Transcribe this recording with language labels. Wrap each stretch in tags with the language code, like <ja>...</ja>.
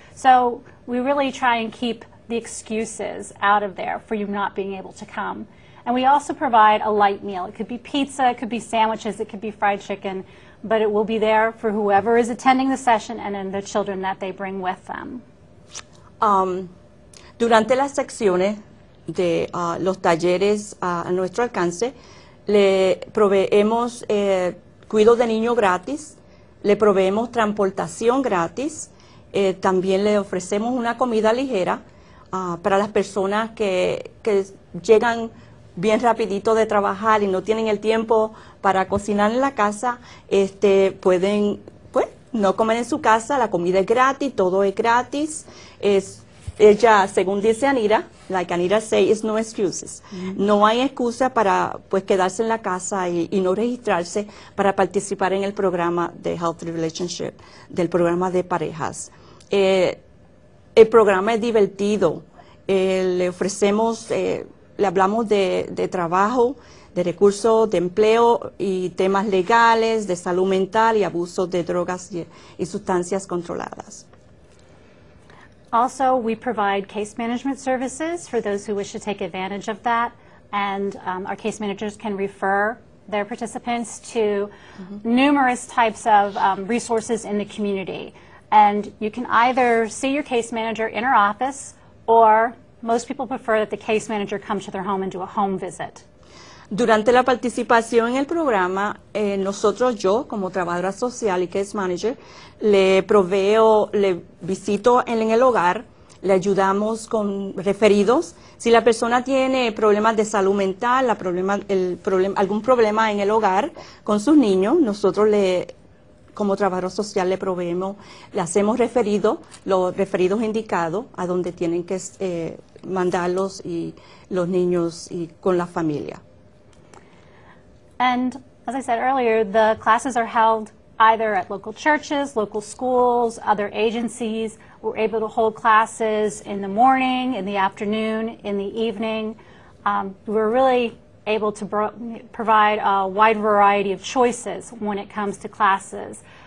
<en>So we really try and keep the excuses out of there for you not being able to come. And we also provide a light meal. It could be pizza, it could be sandwiches, it could be fried chicken, but it will be there for whoever is attending the session and then the children that they bring with them.</en> <es>Durante las secciones de los talleres a nuestro alcance, le proveemos cuido de niño gratis, le proveemos transportación gratis, también le ofrecemos una comida ligera para las personas que llegan bien rapidito de trabajar y no tienen el tiempo para cocinar en la casa, pueden, pues, no comer en su casa, la comida es gratis, todo es gratis. Ella, según dice Anita,</es> <en>like Anita say, is no excuses.</en> <es>No hay excusa para, pues, quedarse en la casa y no registrarse para participar en el programa de Healthy Relationship, del programa de parejas. El programa es divertido. Le ofrecemos, le hablamos de trabajo, de recursos, de empleo y temas legales, de salud mental y abusos de drogas y sustancias controladas.</es> <en>Also, we provide case management services for those who wish to take advantage of that, and our case managers can refer their participants to numerous types of resources in the community. And you can either see your case manager in our office, or most people prefer that the case manager come to their home and do a home visit.</en> <es>Durante la participación en el programa, nosotros, yo como trabajadora social y case manager, le proveo, le visito en el hogar, le ayudamos con referidos. Si la persona tiene problemas de salud mental, algún problema en el hogar con sus niños, nosotros le, como trabajador social, le proveemos, le hacemos referido, los referidos indicados a donde tienen que mandarlos y los niños y con la familia.</es> <en>And as I said earlier, the classes are held either at local churches, local schools, other agencies. We're able to hold classes in the morning, in the afternoon, in the evening. We're really able to provide a wide variety of choices when it comes to classes.</en>